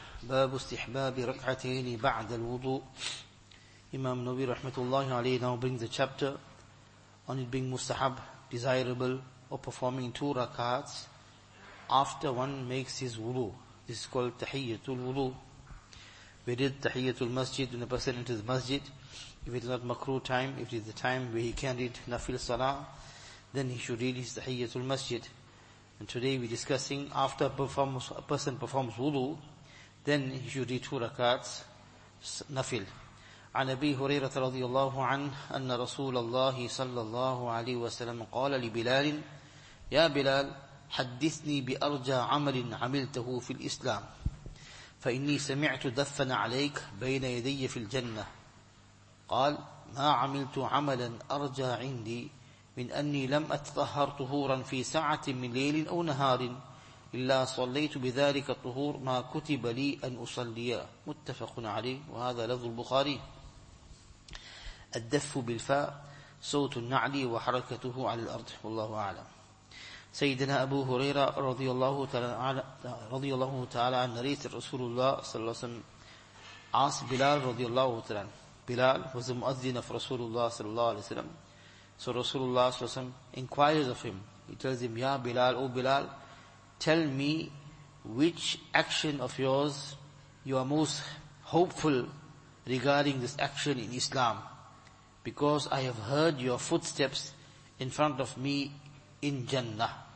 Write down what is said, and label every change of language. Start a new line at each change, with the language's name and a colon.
Arabic: باب استحباب ركعتين بعد الوضوء.
English: Imam Nawawi rahmatullahi alayhi now brings a chapter on it being mustahab, desirable, or performing two rakats after one makes his wudu. This is called tahiyyatul wudu. We did tahiyyatul masjid when a person enters the masjid. If it is not makruh time, if it is the time where he can read nafil salah, then he should read his tahiyyatul masjid. And today we're discussing after a person performs wudu, then he should read two rakats nafil.
Arabic: عن أبي هريرة رضي الله عنه أن رسول الله صلى الله عليه وسلم قال لبلال يا بلال حدثني بأرجى عمل عملته في الإسلام فإني سمعت دفن عليك بين يدي في الجنة قال ما عملت عملا أرجى عندي من أني لم أتطهر طهورا في ساعة من ليل أو نهار إلا صليت بذلك الطهور ما كتب لي أن أصليه متفق عليه وهذا لفظ البخاري الدف بالفاء صوت النعل وحركته على الأرض والله أعلم. سيدنا أبو هريرة رضي الله تعالى عن نريت رسول الله صلى الله عليه وسلم
English: asked
Arabic: بلال رضي الله تعالى.
English: Bilal was the مؤذن of رسول الله صلى الله عليه وسلم. So Rasulullah صلى الله عليه وسلم inquires of him. He tells him, يا بلال, O Bilal, tell me which action of yours you are most hopeful regarding this action in Islam. Because I have heard your footsteps in front of me in Jannah.